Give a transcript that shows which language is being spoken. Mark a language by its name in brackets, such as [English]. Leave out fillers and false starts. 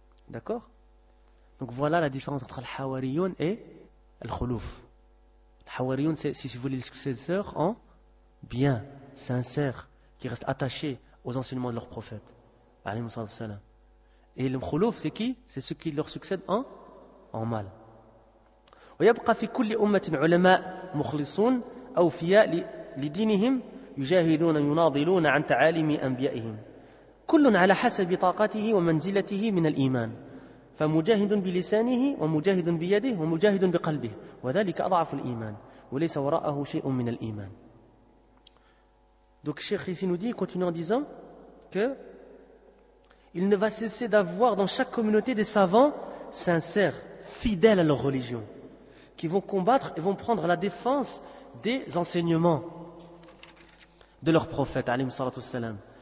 [French] D'accord ? Donc voilà la différence entre Al-Hawariyun et Al-Khulouf. Al-Hawariyun, c'est, si vous voulez, les successeurs en bien, sincères, qui restent attachés aux enseignements de leurs prophètes. Et le khulouf, c'est qui ? C'est ceux qui leur succèdent en mal. [Arabic] ويبقى في كل أمة علماء مخلصون أوفياء لدينهم يجاهدون يناضلون عن تعاليم أنبيائهم كل على حسب طاقته ومنزلته من الإيمان فمجاهد بلسانه ومجاهد بيده ومجاهد بقلبه وذلك أضعف الإيمان وليس وراءه شيء من الإيمان. [French] Donc Cheikh ici nous dit, continuant en disant que il ne va cesser d'avoir dans chaque communauté des savants sincères, fidèles à leur religion, qui vont combattre et vont prendre la défense des enseignements de leur prophète, alayhi salatu wassalam.